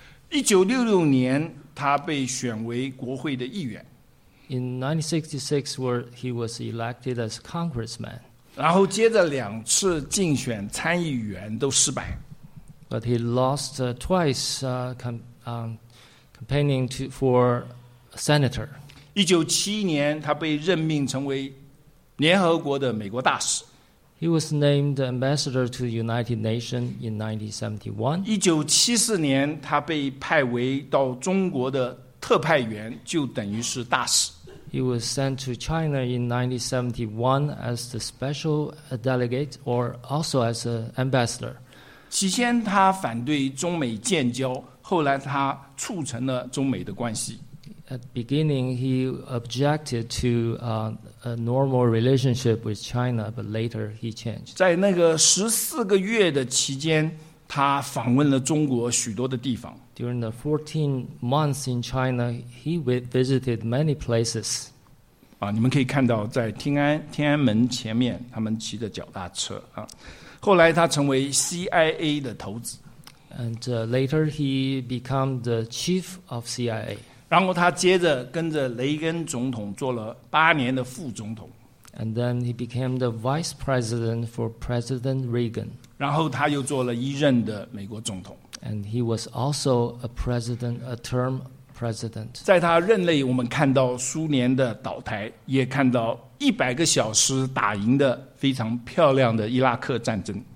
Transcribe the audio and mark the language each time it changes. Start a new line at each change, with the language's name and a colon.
Chinese: 1966年他被选为国会的议员。
English: In 1966, where he was elected as congressman.
Chinese: 然后接着两次竞选参议员都失败。
English: But he lost twice campaigning for a senator.
Chinese: 1971年他被任命成为联合国的美国大使。
English: He was named ambassador to the United Nations in 1971.
Chinese: 1974 年，他被派为到中国的特派员，就等于是大使。
English: He was sent to China in 1971 as the special delegate, or also as an ambassador.
Chinese: 起先他反对中美建交，后来他促成了中美的关系。
English: At the beginning, he objected to a normal relationship with China, but later he changed.
Chinese: 在那个十四个月的期间，他访问了中国许多的地方。
English: During the 14 months in China, he visited many places.
Chinese: 啊，你们可以看到，在天安门前面，他们骑着脚踏车啊。后来他成为 CIA 的头子。
English: And later he became the chief of CIA.
Chinese: 然后他接着跟着雷根总统做了八年的副总统。
English: And then he became the vice president for President Reagan.
Chinese: 然后他又做了一任的美国总统。
English: And he was also a term president.
Chinese: 在他任内，我们看到苏联的倒台，也看到100个小时打赢的非常漂亮的伊拉克战争。